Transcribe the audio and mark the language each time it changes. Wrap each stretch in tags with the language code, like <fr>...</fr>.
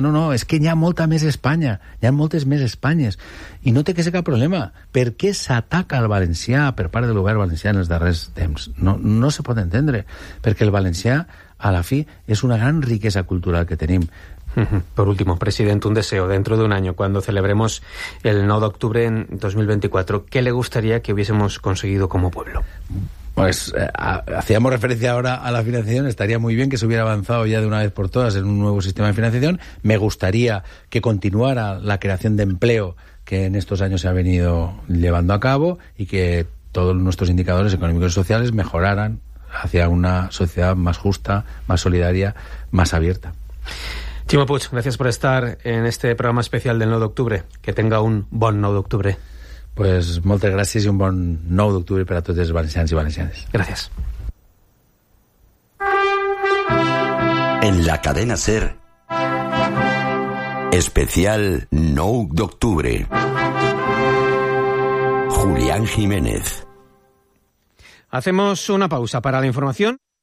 <ca>No, és que hi ha molta més Espanya, hi ha moltes més Espanyes, i no té que ser cap problema. Per què s'ataca el valencià per part del govern valencià en els darrers temps? No se pot entendre, perquè el valencià a la fi és una gran riquesa cultural que tenim.</ca> <es>Por último, presidente, un deseo. Dentro de un año, cuando celebremos el 9 de octubre en 2024, ¿qué le gustaría que hubiésemos conseguido como pueblo? Pues hacíamos referencia ahora a la financiación. Estaría muy bien que se hubiera avanzado ya de una vez por todas en un nuevo sistema de financiación. Me gustaría que continuara la creación de empleo que en estos años se ha venido llevando a cabo, y que todos nuestros indicadores económicos y sociales mejoraran hacia una sociedad más justa, más solidaria, más abierta. Ximo Puig, gracias por estar en este programa especial del 9 d'octubre. Que tenga un bon 9 d'octubre.</es> <ca>Pues moltes gràcies i un bon 9 d'octubre per a tots els valencians i valencianes. Gràcies.</ca> <es>En la cadena SER, especial 9 d'octubre. Julián Jiménez. Hacemos una pausa para la información.</es>